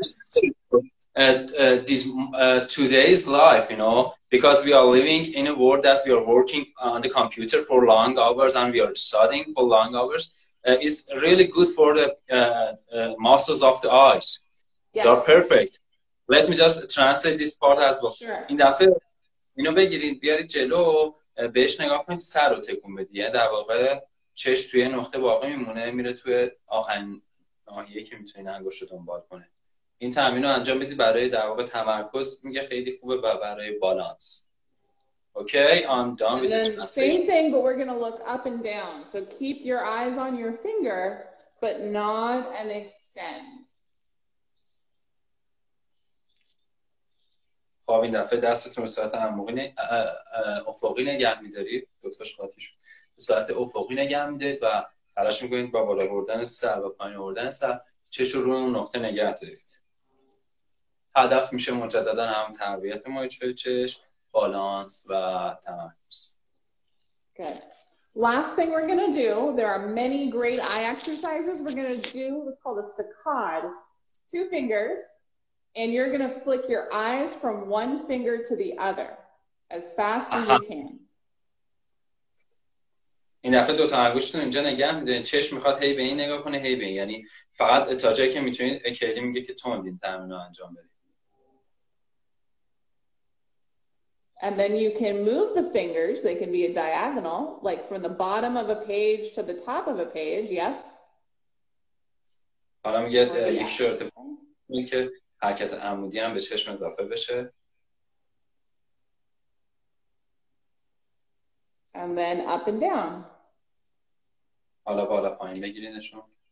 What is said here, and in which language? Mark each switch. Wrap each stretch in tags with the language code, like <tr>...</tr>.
<en>This today's life, you know, because we are living in a world that we are working on the computer for long hours and we are studying for long hours, is really good for the muscles of the eyes. Yes. They are perfect. Let me just translate this part as well. Sure.</en> <fa>این دفعه اینو بگیرید بیارید جلو بهش نگاه کنید سر رو تکون بدید. یعنی در واقع چشم توی نقطه باقی میمونه میره توی آخرین ناحیه که میتونه انگشت رو دنبال کنه. این تمرین رو انجام بدید برای در واقع تمرکز میگه خیلی خوبه و برای بالانس.</fa> <en>Okay, I'm done with the translation. Same thing, but we're going to look up and down. So keep your eyes on your finger, but nod and extend.</en> <fa>خب این دفعه دستتون به صورت عمقی افقی نگه میدارید. دوتاش قاطی شد. به صورت افقی نگه میدارید و تلاش میکنید با بالا بردن سر و پایین بردن سر چش رو اون نقطه نگه دارید. هدف میشه مجددا هم تقویت مایچه چش بالانس و تمرکز.</fa> <en>Good. Last thing we're going to do, there are many great eye exercises we're going to do. It's called a saccade. Two fingers, and you're going to flick your eyes from one finger to the other as fast as you can.</en> <fa>این دفعه دو تا انگشتتون اینجا نگه میدونید. چشم میخواد هی به این نگاه کنه هی به این. یعنی فقط تا جایی که میتونید. کیلی میگه که تند این تمرین رو انجام بدید.</fa> <en>And then you can move the fingers, they can be a diagonal, like from the bottom of a page to the top of a page, yep.</en> <fa>حالا میگه یک شرط این که حرکت عمودی هم به چشم اضافه بشه.</fa> <en>And then up and down.</en> <fa>حالا بالا پایین بگیرینشون.</fa>